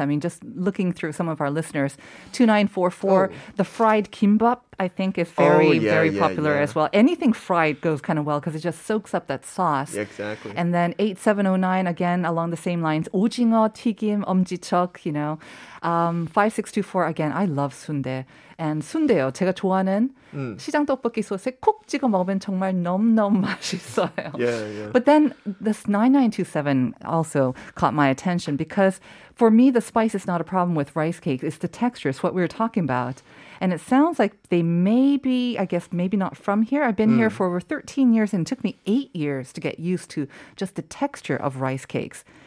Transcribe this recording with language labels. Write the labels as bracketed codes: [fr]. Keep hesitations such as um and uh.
[en] I mean, just looking through some of our listeners, 2944, the fried kimbap, I think, is very, Oh, yeah, very yeah, popular yeah. as well. Anything fried goes kind of well because it just soaks up that sauce. Exactly. And then 8709, again, along the same lines, [ko] 오징어, 튀김, 엄지척, [en] you know. Um, 5624, again, I love 순대. [ko] And 순대요, 제가 좋아하는 시장 떡볶이 소스에 콕 찍어 먹으면 정말 너무너무 맛있어요. [en] Yeah, yeah. But then this 9927 also caught my attention because for me, the spice is not a problem with rice cake. It's the texture, it's what we were talking about. And it sounds like they may be, I guess, maybe not from here. I've been here for over 13 years and it took me eight years to get used to just the texture of rice cakes.